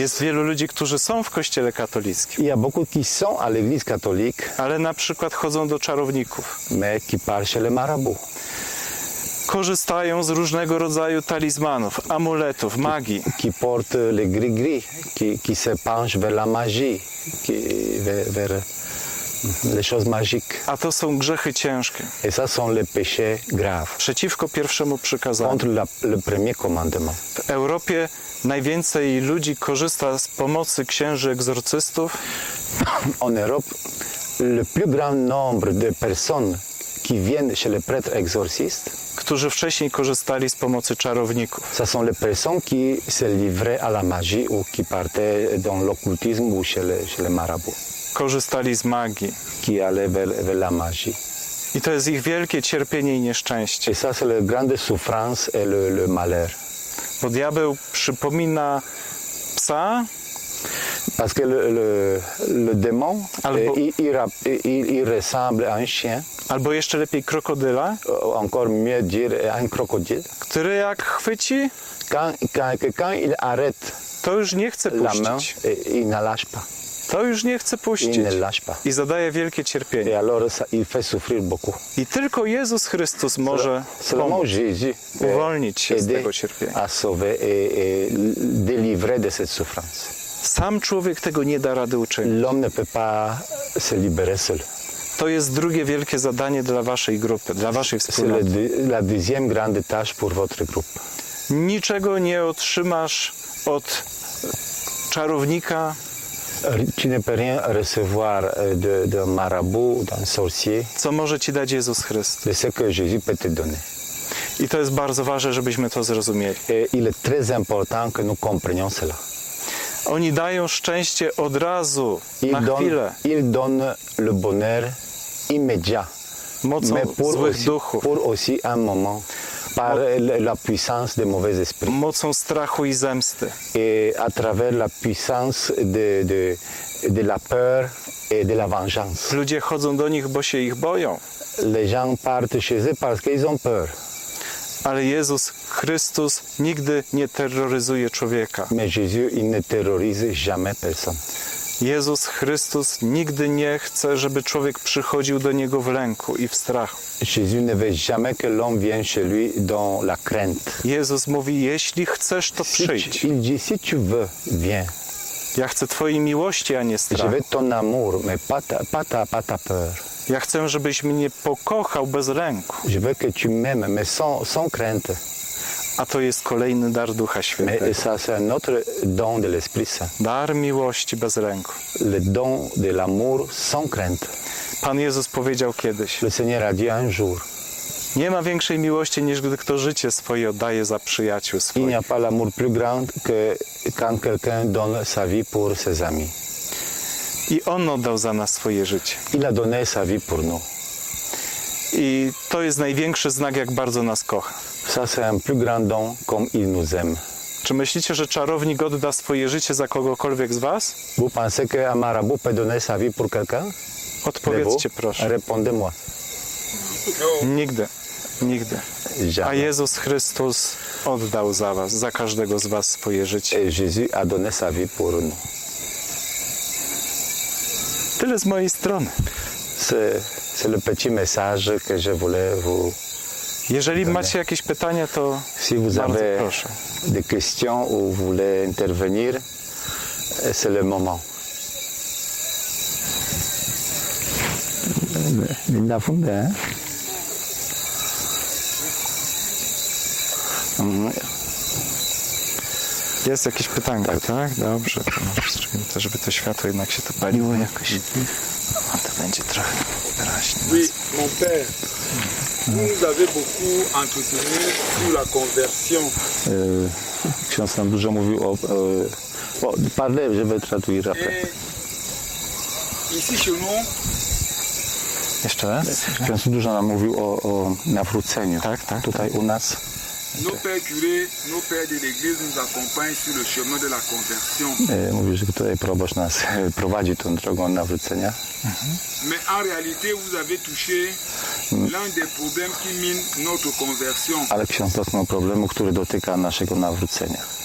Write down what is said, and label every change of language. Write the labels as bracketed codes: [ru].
[pl] Jest wielu ludzi, którzy są w kościele katolickim. [fr] Il y a beaucoup qui sont à l'église catholique. [pl] Ale na przykład chodzą do czarowników. [fr] Mais qui parlent chez les marabouts. [pl] Korzystają z różnego rodzaju talizmanów, amuletów, magii. [fr] Qui porte les gris-gris, qui se penche vers la magie, vers les choses magiques. [pl] A to są grzechy ciężkie. [fr] Et ça sont les péchés graves. [pl] Przeciwko pierwszemu przykazaniu. [fr] Contre le premier commandement. [pl] W Europie najwięcej ludzi korzysta z pomocy księży egzorcystów. [fr] En Europe, le plus grand nombre de personnes qui viennent chez les prêtres exorcistes, [pl] którzy wcześniej korzystali z pomocy czarowników. [fr] Ce sont les personnes qui se livraient à la magie ou qui partaient dans l'occultisme ou chez les marabouts. [pl] Korzystali z magii. [fr] Qui allaient vers la magie. [pl] I to jest ich wielkie cierpienie i nieszczęście. [fr] Et ça, c'est la grande souffrance et le malheur. [pl] Bo diabeł przypomina psa. [fr] Parce que le démon, il ressemble à un chien. [pl] Albo jeszcze lepiej krokodyla. [fr] Encore mieux dire un crocodile. [pl] Który jak chwyci? [fr] Quand il arrête. [pl] To już nie chce puścić. [fr] La main, il ne lâche pas. [pl] To już nie chce puścić. [fr] Il ne lâche pas. [pl] I zadaje wielkie cierpienie. [fr] Et alors, il fait souffrir beaucoup. [pl] I tylko Jezus Chrystus może pomóc uwolnić się z tego cierpienia. [fr] À sauver et délivrer de cette souffrance. [pl] Sam człowiek tego nie da rady uczynić. [fr] L'homme ne peut pas se libérer seul. [pl] To jest drugie wielkie zadanie dla waszej grupy, dla waszej wspólnoty. [fr] C'est la deuxième grande tâche pour votre groupe. [pl] Niczego nie otrzymasz od czarownika. [fr] Tu ne peux rien recevoir de marabout, d'un sorcier. [pl] Co może ci dać Jezus Chrystus? [fr] De ce que Jésus peut te donner. [pl] I to jest bardzo ważne, żebyśmy to zrozumieli. [fr] Il est très important que nous comprenions cela. [pl] Oni dają szczęście od razu, na chwilę. [fr] Il donne le bonheur immédiat. [pl] Mocą złych duchów. [fr] Pour aussi un moment. Par la puissance des mauvais esprits. [pl] Mocą strachu i zemsty. [fr] Et à travers la puissance de la peur et de la vengeance. [pl] Ludzie chodzą do nich, bo się ich boją. [fr] Les gens partent chez eux parce qu'ils ont peur. [pl] Ale Jezus Chrystus nigdy nie terroryzuje człowieka. [fr] Mais Jésus, il ne terrorise jamais personne. [pl] Jezus Chrystus nigdy nie chce, żeby człowiek przychodził do niego w lęku i w strachu. [fr] Jésus ne veut jamais que l'homme vienne chez lui dans la crainte. [pl] Jezus mówi, jeśli chcesz, to przyjdź. [fr] Il dit, si tu veux, viens. [pl] Ja chcę twojej miłości, a nie strachu. [fr] Je veux ton amour, mais pas ta peur. [pl] Ja chcę, żebyś mnie pokochał bez lęku. [fr] Je veux que tu m'aimes, mais sans crainte. [pl] A to jest kolejny dar Ducha Świętego. [fr] Mais ça, c'est un autre don de l'Esprit Saint. [pl] Dar miłości bez lęku. [fr] Le don de l'amour sans crainte. [pl] Pan Jezus powiedział kiedyś. [fr] Le Seigneur a dit un jour. [pl] Nie ma większej miłości, niż gdy kto życie swoje oddaje za przyjaciół swoich. [fr] Il n'y a pas l'amour plus grand que quand quelqu'un donne sa vie pour ses amis. [pl] I On oddał za nas swoje życie. [fr] Il a donné sa vie pour nous. [pl] I to jest największy znak, jak bardzo nas kocha. [fr] Ça, c'est un plus grand don, comme il nous aime. [pl] Czy myślicie, że czarownik odda swoje życie za kogokolwiek z was? [fr] Vous pensez que un marabout peut donner sa vie pour quelqu'un? [pl] Odpowiedzcie proszę. [fr] Répondez-moi. [pl] Nigdy. Nigdy. A Jezus Chrystus oddał za was, za każdego z was swoje życie. [fr] Jésus a donné sa vie pour nous. [pl] Tyle z mojej strony. [fr] C'est le petit message que je voulais vous. [pl] Jeżeli macie jakieś pytania, to [fr] si vous avez des questions ou voulez intervenir, c'est le moment. Linda Funde, hein? [pl] Jest jakieś pytanie, tak? Tak? Dobrze, to zrobimy to, żeby to światło jednak się to paliło jakoś. A to będzie trochę wyraźnie. [fr] Oui, mon père. Vous avez beaucoup entretenu sur la conversion. [pl] Ksiądz nam dużo mówił o. [fr] O, parlez, je vais traduire après. Ici chez nous. [pl] Jeszcze raz. Ksiądz dużo nam mówił o nawróceniu. Tak, tak. Tutaj tak. U nas. [fr] Nos pères curés, nos pères de l'église nous accompagnent sur le chemin de la conversion. [pl] Mówi, że tutaj proboszcz nas prowadzi tą drogą nawrócenia. [fr] Mais en réalité, vous avez touché l'un des problèmes qui mine notre conversion. [pl] Ale ksiądz dotknął problemu, który dotyka naszego nawrócenia.